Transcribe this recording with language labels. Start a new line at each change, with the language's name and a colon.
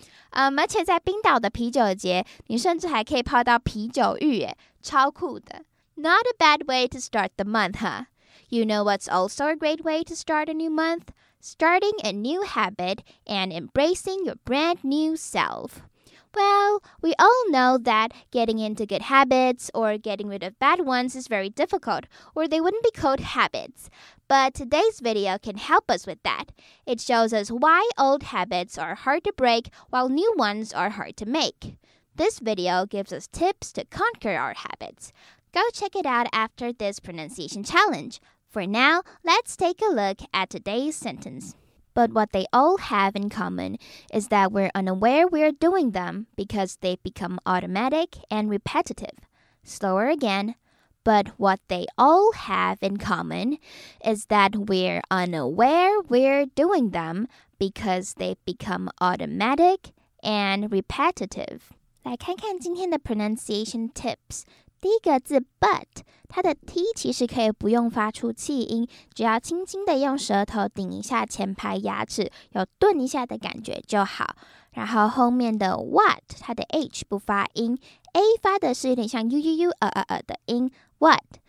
Chinese: 而且在冰岛的啤酒节，你甚至还可以泡到啤酒浴耶，超酷的。
English: Not a bad way to start the month, huh? You know what's also a great way to start a new month? Starting a new habit and embracing your brand new self. Well, we all know that getting into good habits or getting rid of bad ones is very difficult, or they wouldn't be called habits. But today's video can help us with that. It shows us why old habits are hard to break while new ones are hard to make. This video gives us tips to conquer our habits. Go check it out after this pronunciation challenge. For now, let's take a look at today's sentence. But what they all have in common is that we're unaware we're doing them because they've become automatic and repetitive. Slower again. But what they all have in common is that we're unaware we're doing them because they've become automatic and repetitive.
Chinese: 来看看今天的
English: pronunciation tips.
Chinese: 第一个字 but， 它的 t 其实可以不用发出气音，只要轻轻的用舌头顶一下前排牙齿，有顿一下的感觉就好。然后后面的 what， 它的 h 不发音 ，a 发的是有点像 的音 what。